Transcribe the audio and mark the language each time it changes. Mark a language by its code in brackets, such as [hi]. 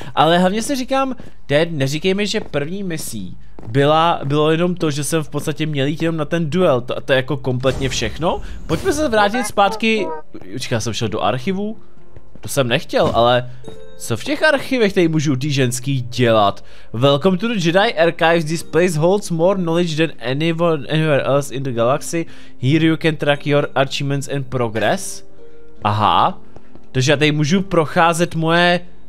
[cs] Ale hlavně si říkám, Ted, neříkej mi, že první misí bylo jenom to, že jsem v podstatě měl jít jenom na ten duel, to je jako kompletně všechno. Pojďme se vrátit zpátky, počkej, já jsem šel do archivu, to jsem nechtěl, ale co v těch archivech tady můžu ty ženský dělat? [en] Welcome to the Jedi Archives, this place holds more knowledge than anywhere else in the galaxy, here you can track your achievements and progress. [cs] Aha, takže já tady můžu procházet moje...